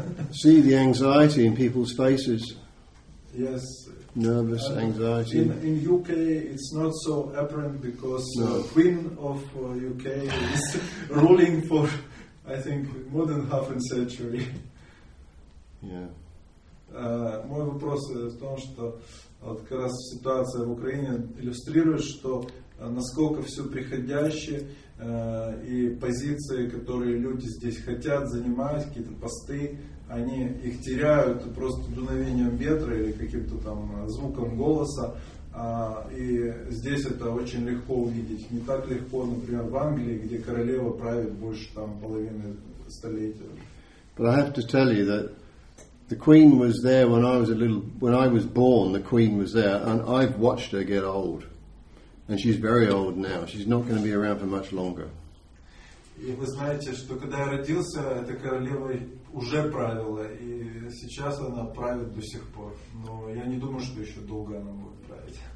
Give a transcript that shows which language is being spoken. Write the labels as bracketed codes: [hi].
[en] See the anxiety in people's faces. Yes. Nervous anxiety. In UK, it's not so apparent because the Queen of UK is ruling for, I think, more than half a century. Yeah. [ru] Мой вопрос в том, что вот как раз ситуация в Украине иллюстрирует, что насколько все приходящее и позиции, которые люди здесь хотят занимать, какие-то посты. Они их теряют просто дуновением ветра или каким-то там звуком голоса. И здесь это очень легко увидеть. Не так легко, например, в Англии, где королева правит больше там половины столетия. [en] But I have to tell you that the Queen was there when I was a little, when I was born, the Queen was there, and I've watched her get old. And she's very old now. She's not going to be around for much longer. [ru] И вы знаете, что когда я родился, эта королева уже правила, и сейчас она правит до сих пор. Но я не думаю, что еще долго она будет править.